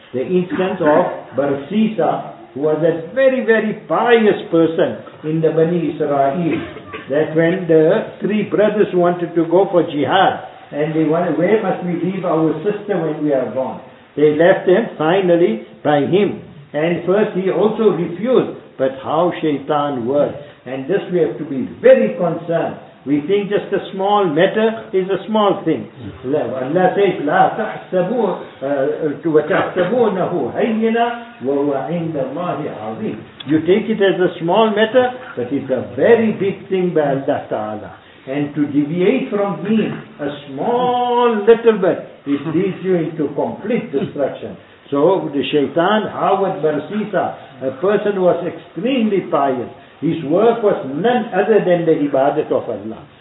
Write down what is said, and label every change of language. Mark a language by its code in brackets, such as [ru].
[en] The instance of Barsisa, who was a very, very pious person in the Bani Israel, that when the three brothers wanted to go for jihad, and they wonder, where must we leave our sister when we are gone? They left them finally by him. And first he also refused. But how shaitan works. And this we have to be very concerned. We think just a small matter is a small thing. Allah says, [ar] لا تحسبوه وتحسبونه هينا وهو عند الله عظيم. [en] You take it as a small matter, but it's a very big thing by Allah Ta'ala. And to deviate from deen a small little bit, it leads you into complete destruction. So the shaitan, Hawad Barsisa, a person who was extremely pious, his work was none other than the ibadat of Allah.